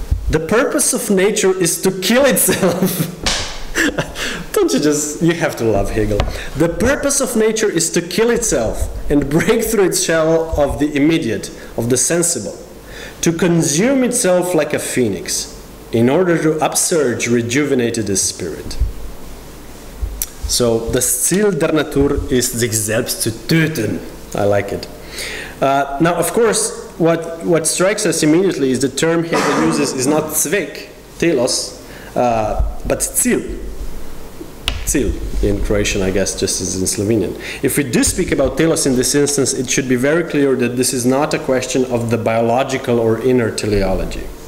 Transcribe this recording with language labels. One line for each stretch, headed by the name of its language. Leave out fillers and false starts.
English: The purpose of nature is to kill itself. You have to love Hegel. The purpose of nature is to kill itself and break through its shell of the immediate, of the sensible, to consume itself like a phoenix in order to upsurge rejuvenated spirit.
German: So, das Ziel der Natur ist, sich selbst zu töten.
English: I like it. Now, of course, what strikes us immediately is the term Hegel uses is not Zweck, Telos, but Ziel. Ziel, in Croatian, I guess, just as in Slovenian. If we do speak about Telos in this instance, it should be very clear that this is not a question of the biological or inner teleology.